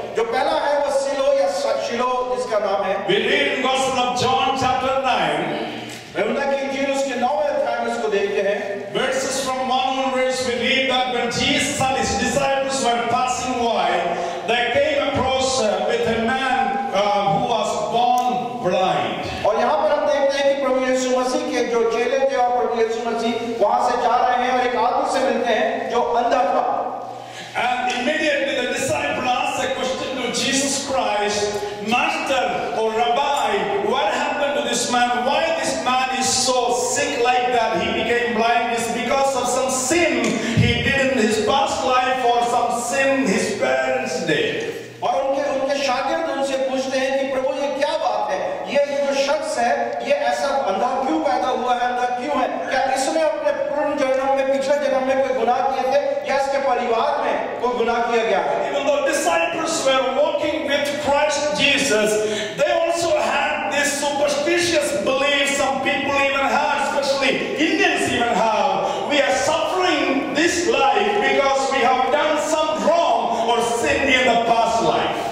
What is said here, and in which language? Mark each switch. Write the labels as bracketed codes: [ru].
[hi] जो पहला है वो silo या silo इसका नाम है. [en] We read in Gospel of John chapter 9. [hi] हम उन्हें कि जीनुस के नौवें अध्याय में इसको देखते हैं. [en] Verses from 1 onwards we read that when Jesus and his disciples were passing by, they came across with a man who was born blind. [hi] और यहाँ पर हम देखते हैं कि प्रभु यीशु मसीह के जो चेले थे और प्रभु यीशु मसीह वहाँ से जा रहे हैं और एक आदमी से मिलते हैं जो अंधा था. [en] And immediately the disciple asked a question to Jesus Christ, Master or Rabbi, what happened to this man? Why this man is so sick like that? He became blind. It's because of some sin he did in his past life or some sin his parents did. [hi] और उनके शागिर्द उनसे पूछते हैं कि प्रभु ये क्या बात है? ये जो शख्स है, ये ऐसा अंधा क्यों पैदा हुआ है? अंधा क्यों है? क्या इसने अपने पूर्व जन्म में पिछले जन्म में कोई गुनाह किए थे? परिवार में कोई गुनाह किया गया? [en] Even though this disciples were walking with Christ Jesus, they also had this superstitious belief some people even have, especially Indians even have. We are suffering this life because we have done some wrong or sin in the past life.